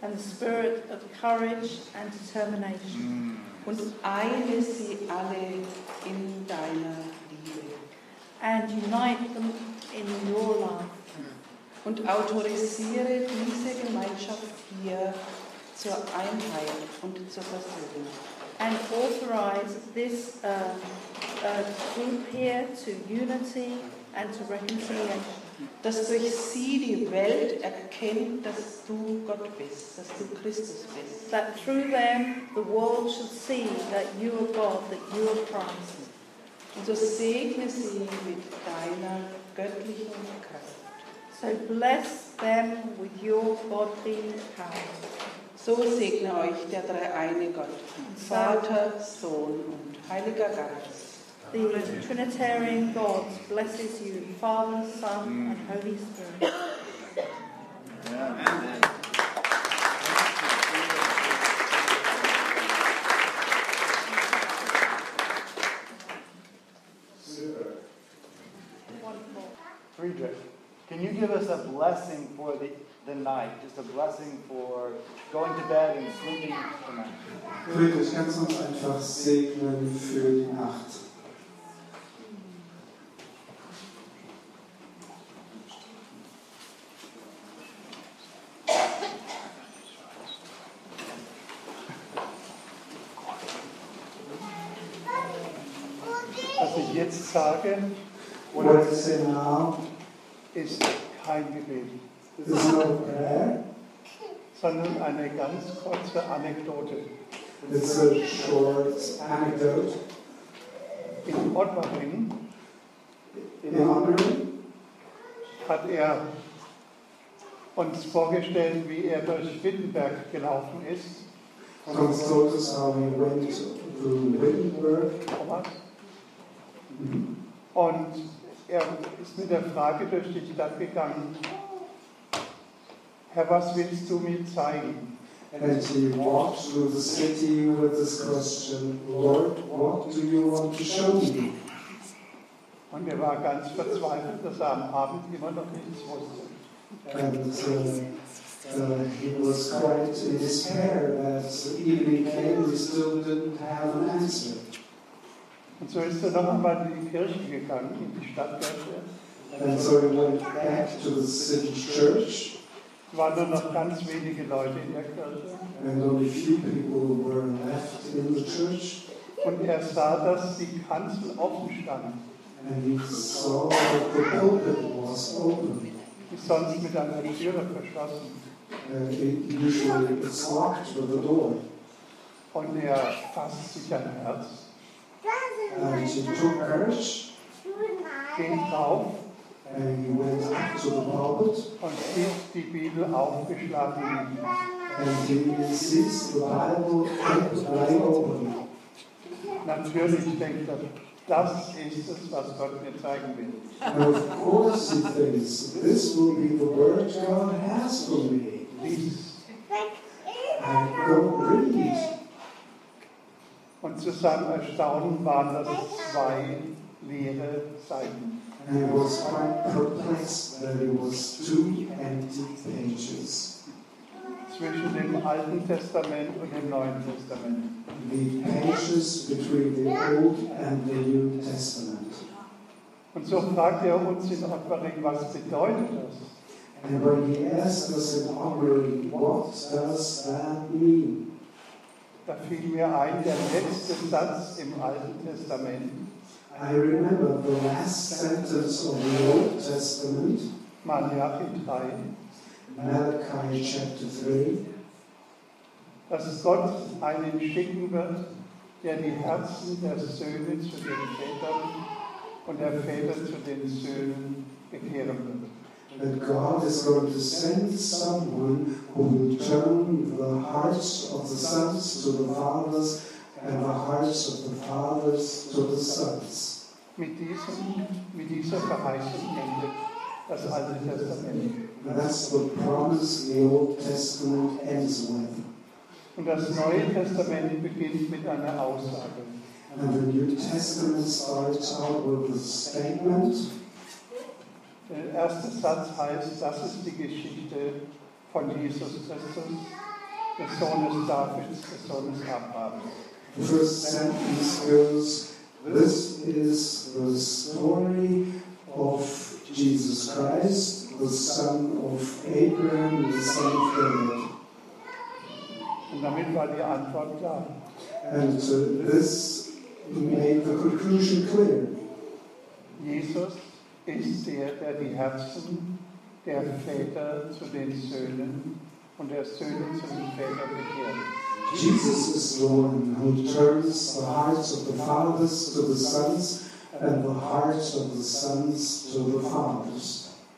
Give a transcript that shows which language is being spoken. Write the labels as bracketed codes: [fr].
[en] and the Spirit of courage and determination, [de] und eine sie alle in deiner Liebe, [en] and unite them in your love. [de] Und autorisiere diese Gemeinschaft hier zur Einheit und zur Versöhnung. [en] And authorize this group here to unity and to reconciliation. [de] Dass durch sie die Welt erkennt, dass du Gott bist, dass du Christus bist. [en] That through them the world should see that you are God, that you are Christ. [de] Und so segne sie mit deiner göttlichen Kraft. [en] So bless them with your godly power. [de] So segne euch der dreieine Gott, Vater, Sohn und Heiliger Geist. [en] The Trinitarian God blesses you, Father, Son, and Holy Spirit. Amen. Can you give us a blessing for the night? Just a blessing for going to bed and sleeping tonight. [de] Friedrich, kannst du uns einfach segnen für die Nacht? Was ich jetzt sage, oder was ich sage now, ist kein Gebet. Das ist kein Gebet. Sondern eine ganz kurze Anekdote. [en] It's a short anecdote. [de] In Ottmaring, in Ottmaring, hat er uns vorgestellt, wie er durch Wittenberg gelaufen ist. [en] Hans told us how he went through Wittenberg. [de] Und er ist mit der Frage durch die Stadt gegangen, Herr, was willst du mir zeigen? [en] And he walked through the city with this question, Lord, what do you want to show me? [de] Und er war ganz verzweifelt, dass er am Abend immer noch nichts wusste. [en] And he was quite in despair that evening came, he still didn't have an answer. [de] Und so ist er noch einmal in die Kirche gegangen, in die Stadtkirche. [en] And so he went back to the city church. [de] Es waren nur noch ganz wenige Leute in der Kirche. [en] And only few people were left in the church. [de] Und er sah, dass die Kanzel offen stand. [en] And he saw that the pulpit was open. [de] Ist sonst mit einer Tür verschlossen. [en] Usually it's locked with the door. [de] Und er fasst sich ein Herz. [en] And he took courage. [de] Ging drauf. [en] And he went up to the pulpit. [de] Und sieht die Bibel aufgeschlagen. [en] And he sees the Bible wide open. [de] Natürlich denkt er, das ist es, was Gott mir zeigen will. [en] And of course he thinks, this will be the word God has for me. Please. I don't read. [de] Und zu seinem Erstaunen waren das zwei leere Seiten. [en] And he was quite perplexed that it was two empty pages. [de] Zwischen dem Alten Testament und dem Neuen Testament. [en] The pages between the Old and the New Testament. [de] Und so fragt er uns in Offenbarung, was bedeutet das? [en] And when he asked us in Offenbarung, what does that mean? [de] Da fiel mir ein, der letzte Satz im Alten Testament. [en] I remember the last sentence of the Old Testament. Malachi 3. Malachi chapter 3. [de] Dass Gott einen schicken wird, der die Herzen der Söhne zu den Vätern und der Väter zu den Söhnen bekehren wird. [en] That God is going to send someone who will turn the hearts of the sons to the fathers and the hearts of the fathers to the sons. [de] Mit dieser Verheißung endet das Alte Testament. [en] And that's the promise the Old Testament ends with. [de] Und das Neue Testament beginnt mit einer Aussage. [en] And the New Testament starts out with a statement. [de] Der erste Satz heißt, das ist die Geschichte von Jesus Christus, des Sohnes Davids, des Sohnes Abrahams. [en] The first sentence goes, this is the story of Jesus Christ, the son of Abraham, the son of David. [de] Und damit war die Antwort klar. [en] And so this made the conclusion clear. [de] Jesus ist der die Herzen der Väter zu den Söhnen und der Söhne zu den Vätern bekehrt. [en] Jesus is the one who turns the hearts of the fathers to the sons and the hearts of the sons to the fathers.